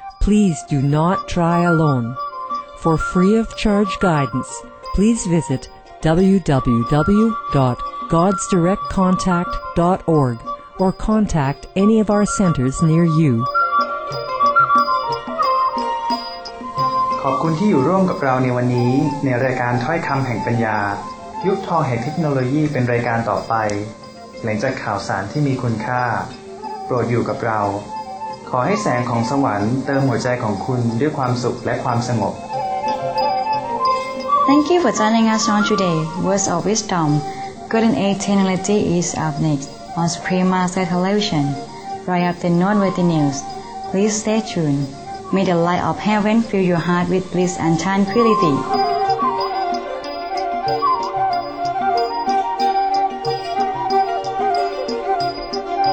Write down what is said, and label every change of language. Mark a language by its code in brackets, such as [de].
[en] Please do not try alone. For free of charge guidance, please visit www.godsdirectcontact.org or contact any of our centers near you. [th] ขอบคุณที่อยู่ร่วมกับเราในวันนี้ในรายการถ้อยคำแห่งปัญญายุคทองแห่งเทคโนโลยีเป็นรายการต่อไปหลังจากข่าวสารที่มีคุณค่าโปรดอยู่กับเราขอให้แสงของสวรรค์เติมหัวใจของคุณด้วยความสุขและความสงบ [en] Thank you for joining us on today. Words of Wisdom, Good and Eternity is up next on Supreme Master Television. Right after noteworthy news, please stay tuned. May the light of heaven fill your heart with bliss and tranquility.